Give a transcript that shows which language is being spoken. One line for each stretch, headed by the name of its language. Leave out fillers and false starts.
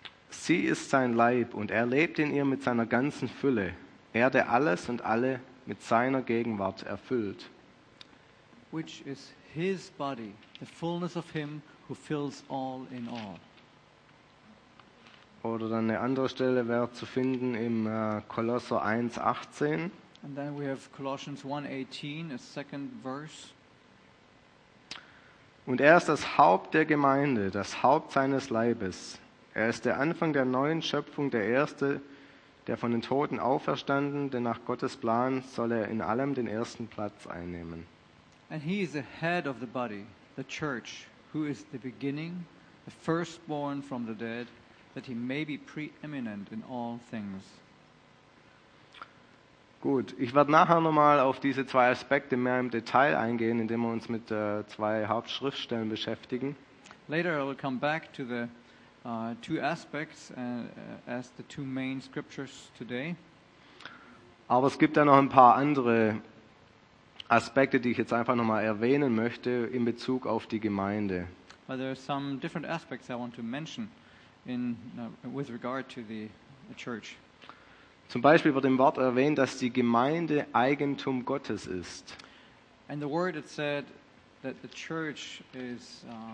German: Sie ist sein Leib und er lebt in ihr mit seiner ganzen Fülle. Er, der alles und alle mit seiner Gegenwart erfüllt.
English: Which is his body, the fullness of him who fills all in all.
German: Oder dann eine andere Stelle wäre zu finden im Kolosser 1, 18.
English: And then we have Colossians 1, 18, a second verse.
German: Und er ist das Haupt der Gemeinde, das Haupt seines Leibes. Er ist der Anfang der neuen Schöpfung, der Erste, der von den Toten auferstanden, denn nach Gottes Plan soll er in allem den ersten Platz einnehmen.
English: And he is the head of the body, the church, who is the beginning, the firstborn from the dead, that he may be preeminent in all things.
German: Gut, ich werde nachher nochmal auf diese zwei Aspekte mehr im Detail eingehen, indem wir uns mit zwei Hauptschriftstellen beschäftigen.
English: Later I will come back to the two aspects as the two main scriptures today.
German: Aber es gibt da noch ein paar andere Aspekte, die ich jetzt einfach nochmal erwähnen möchte in Bezug auf die Gemeinde.
English: But there are some different aspects I want to mention in with regard to the church.
German: Zum Beispiel wird im Wort erwähnt, dass die Gemeinde Eigentum Gottes ist.
English: And the word it said that the church is